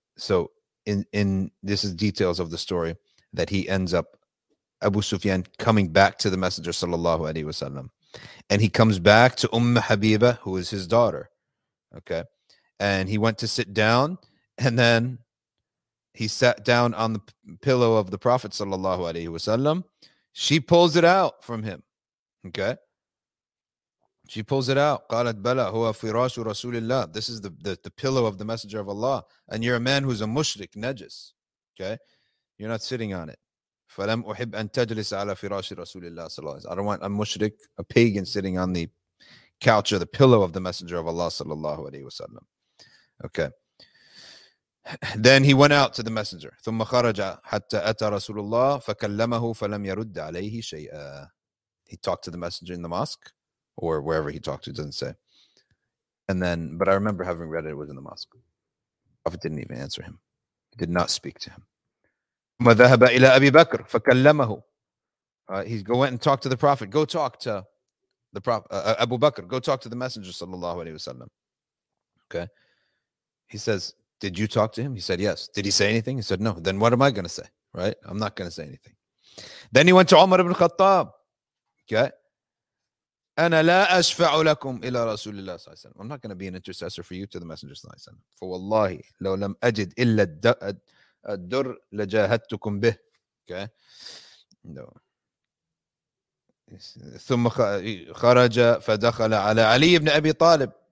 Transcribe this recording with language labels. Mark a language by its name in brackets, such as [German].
[English] So in this is details of the story that he ends up Abu Sufyan coming back to the Messenger sallallahu alaihi wasallam, and he comes back to Umm Habiba, who is his daughter. Okay, and he went to sit down, and then he sat down on the pillow of the Prophet sallallahu alaihi wasallam. She pulls it out from him. Okay, she pulls it out. [Arabic] قالت بلا هو فراش رسول الله. [English] This is the pillow of the Messenger of Allah. And you're a man who's a mushrik, najis. Okay, you're not sitting on it. [Arabic] فلم أحب أن تجلس على فراش رسول الله صلى الله عليه وسلم. [English] I don't want a mushrik, a pagan, sitting on the couch or the pillow of the Messenger of Allah صلى الله عليه وسلم. Okay. Then he went out to the Messenger. [Arabic] ثم خرج حتى أتى رسول الله فكلمه فلم يرد عليه شيئا. [English] He talked to the Messenger in the mosque. Or wherever he talked to, it doesn't say. And then, but I remember having read it, it was in the mosque. The Prophet didn't even answer him. He did not speak to him. He went and talked to the Prophet. Go talk to the Prophet, Abu Bakr. Go talk to the Messenger, sallallahu alayhi wasallam. Okay. He says, did you talk to him? He said, yes. Did he say anything? He said, no. Then what am I going to say? Right? I'm not going to say anything. Then he went to Umar ibn Khattab. Okay. [Arabic] أنا لا أشفع لكم إلى رسول الله صلى الله عليه وسلم. [English] I'm not going to be an intercessor for you to the Messenger صلى الله عليه وسلم. [Arabic] فوالله لو لم أجد إلا الدر لجاهدتكم به. [English] Okay. No. [Arabic] ثم خرج فدخل على علي بن أبي طالب.